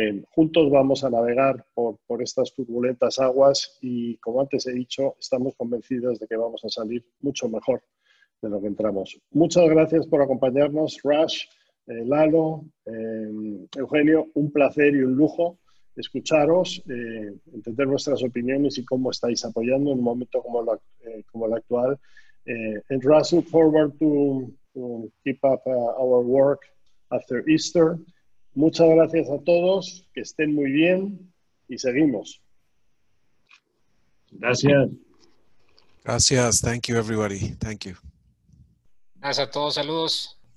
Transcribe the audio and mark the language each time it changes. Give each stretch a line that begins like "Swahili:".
Spanish: Juntos vamos a navegar por estas turbulentas aguas y, como antes he dicho, estamos convencidos de que vamos a salir mucho mejor de lo que entramos. Muchas gracias por acompañarnos, Rush, Lalo, Eugenio. Un placer y un lujo escucharos, entender vuestras opiniones y cómo estáis apoyando en un momento como el actual.
English: And Russ, look forward to keep up our work after Easter.
Spanish: Muchas gracias a todos, que estén muy bien y seguimos. Gracias. Gracias.
English: Thank you, everybody. Thank you.
Spanish: Gracias a todos. Saludos.